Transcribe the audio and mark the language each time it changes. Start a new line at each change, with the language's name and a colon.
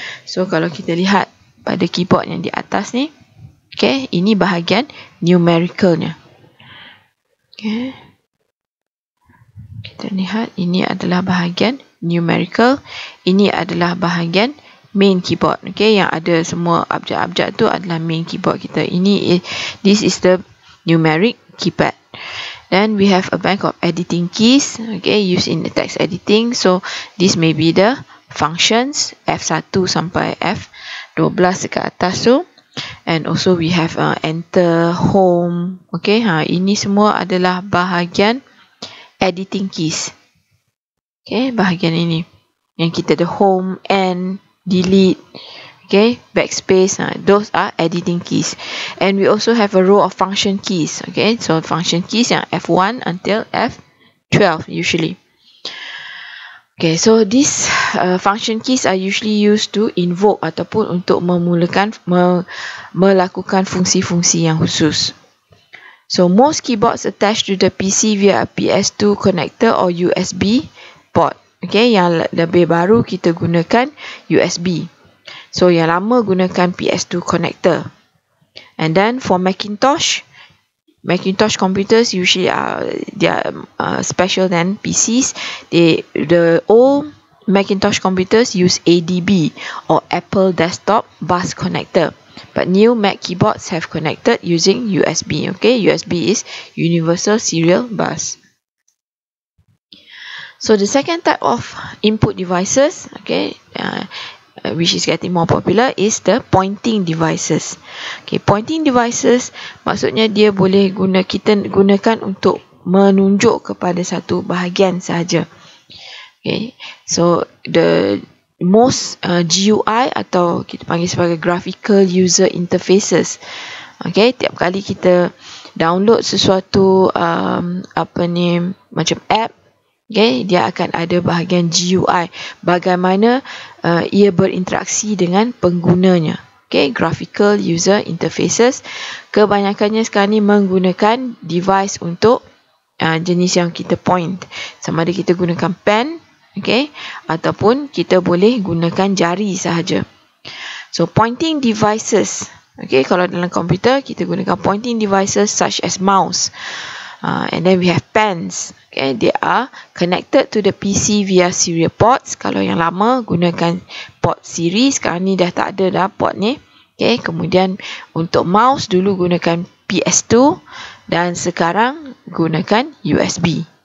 Malay: So kalau kita lihat pada keyboard yang di atas ni, okay, ini bahagian numericalnya. Okay, kita lihat ini adalah bahagian numerical. Ini adalah bahagian main keyboard. Okay, yang ada semua abjad-abjad tu adalah main keyboard kita.
English: Ini this is the numeric keypad. Then we have a bank of editing keys, okay, used in the text editing. So this may be the functions F1
Malay: sampai F12 dekat atas tu.
English: And also we have enter, home, okay.
Malay: Ha, ini semua adalah bahagian editing keys. Okay, bahagian ini yang kita ada home, end, delete, okay, backspace,
English: those are editing keys. And we also have a row of function keys. Okay, so function keys yang F1 until F12 usually. Okay, so these function keys are usually used to invoke
Malay: ataupun untuk memulakan, melakukan fungsi-fungsi yang khusus.
English: So most keyboards attached to the PC via a PS2 connector or USB port.
Malay: Okay, yang lebih baru kita gunakan USB. So yang lama gunakan PS2 connector.
English: And then for Macintosh computers usually are special than PCs. The old Macintosh computers use ADB or Apple Desktop Bus Connector. But new Mac keyboards have connected using USB. Okay, USB is Universal Serial Bus. So the second type of input devices, which is getting more popular, is the pointing devices.
Malay: Okay, pointing devices maksudnya dia boleh kita gunakan untuk menunjuk kepada satu bahagian sahaja.
English: Okay, so the most GUI
Malay: atau kita panggil sebagai
English: graphical user interfaces.
Malay: Okay, tiap kali kita download sesuatu macam app. Okay, dia akan ada bahagian GUI, bagaimana ia berinteraksi dengan penggunanya. Okay, graphical user interfaces kebanyakannya sekarang ni menggunakan device untuk jenis yang kita point. Sama ada kita gunakan pen, okay, ataupun kita boleh gunakan jari sahaja.
English: So, pointing devices. Okay,
Malay: kalau dalam komputer, kita gunakan
English: pointing devices such as mouse. And then we have pens. Okay, they are connected to the PC via serial ports.
Malay: Kalau yang lama gunakan port seri, sekarang ni dah tak ada dah port ni. Okay, kemudian untuk mouse dulu gunakan PS2 dan sekarang gunakan USB.